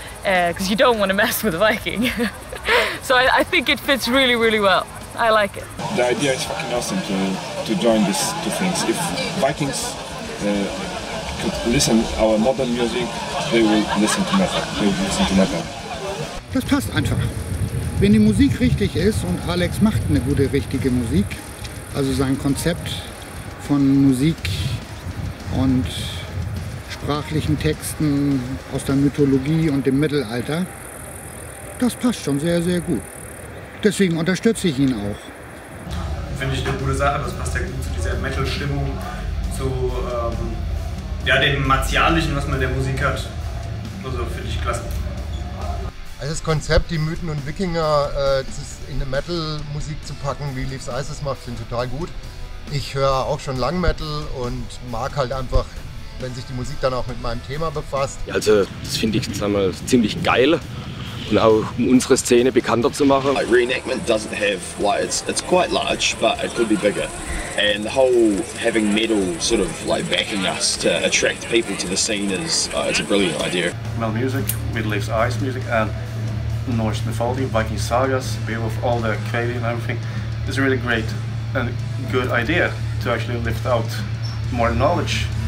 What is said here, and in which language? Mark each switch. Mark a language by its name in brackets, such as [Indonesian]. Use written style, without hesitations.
[English] Because you don't want to mess with a Viking. So I think it fits really, really well. I like it. The idea is fucking awesome to join these two things. If Vikings could listen to our modern music, they will listen to metal. They will listen to metal. [German] Das passt einfach. Wenn die Musik richtig ist und Alex macht eine gute, richtige Musik, also sein Konzept von Musik und sprachlichen Texten aus der Mythologie und dem Mittelalter. Das passt schon sehr, sehr gut. Deswegen unterstütze ich ihn auch. Finde ich eine gute Sache, das passt ja gut zu dieser Metal-Stimmung, zu dem Martialischen, was man in der Musik hat. Also finde ich klasse. Also das Konzept, die Mythen und Wikinger in eine Metal-Musik zu packen, wie Leaves Eyes es macht, finde ich total gut. Ich höre auch schon lang Metal und mag halt einfach, wenn sich die Musik dann auch mit meinem Thema befasst. Also das finde ich, sagen wir, ziemlich geil, und auch um unsere Szene bekannter zu machen. [English] Like, reenactment doesn't have, like, it's quite large, but it could be bigger. And the whole having metal sort of like backing us to attract people to the scene is it's a brilliant idea. Metal music, Leaves Eyes music and Norse mythology, Viking sagas, Beowulf, all the crazy and everything, is a really great and good idea to actually lift out more knowledge.